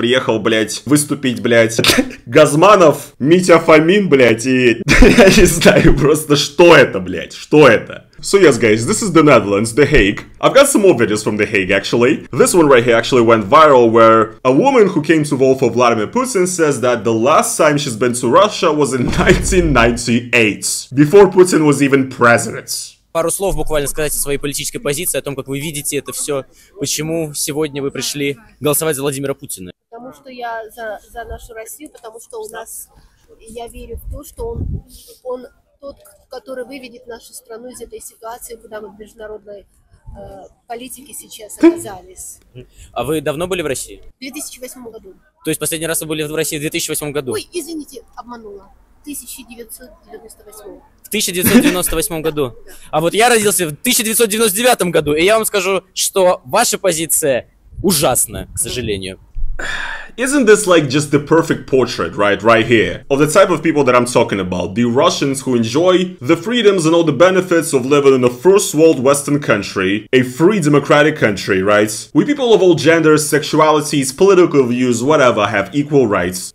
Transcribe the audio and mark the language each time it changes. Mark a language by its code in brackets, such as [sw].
[ru] Приехал, блядь, выступить, блядь, Газманов, Митя Фомин, блядь, и... Я не знаю просто, что это, блядь, что это? [en] So yes, guys, this is the Netherlands, The Hague. I've got some more videos from The Hague, actually. This one right here actually went viral, where a woman who came to vote for Vladimir Putin says that the last time she's been to Russia was in 1998, before Putin was even president. [ru] Пару слов буквально сказать о своей политической позиции, о том, как вы видите это все, почему сегодня вы пришли голосовать за Владимира Путина. Потому что я за нашу Россию, потому что у нас, я верю в то, что он тот, который выведет нашу страну из этой ситуации, куда мы в международной политике сейчас оказались. А вы давно были в России? В 2008 году. То есть последний раз вы были в России в 2008 году? Ой, извините, обманула. 1998. В 1998 году. А вот я родился в 1999 году, и я вам скажу, что ваша позиция ужасна, к сожалению. [en] Isn't this like just the perfect portrait, right, right here, of the type of people that I'm talking about? The Russians who enjoy the freedoms and all the benefits of living in a first world Western country, a free democratic country, right? We people of all genders, sexualities, political views, whatever, have equal rights.